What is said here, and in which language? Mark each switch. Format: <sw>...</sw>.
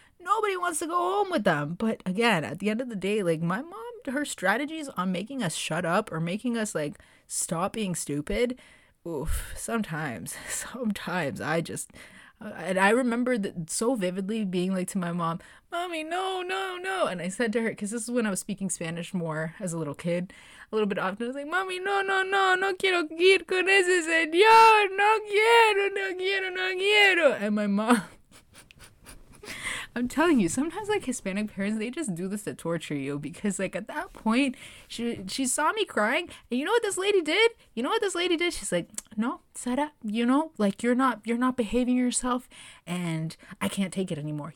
<en>Nobody wants to go home with them. But again, at the end of the day, like my mom, her strategies on making us shut up or making us like stop being stupid, oof, sometimes I just... And I remember that so vividly, being like to my mom, mommy, no, no, no. And I said to her, because this is when I was speaking Spanish more as a little kid, a little bit often, I was like, mommy, no, no, no,</en> <es>no quiero ir con ese señor. No quiero, no quiero, no quiero.</es> <en>And my mom, I'm telling you, sometimes like Hispanic parents, they just do this to torture you, because like at that point, she saw me crying. And you know what this lady did? She's like, no, Sada, you know, like, you're not behaving yourself, and I can't take it anymore.</en>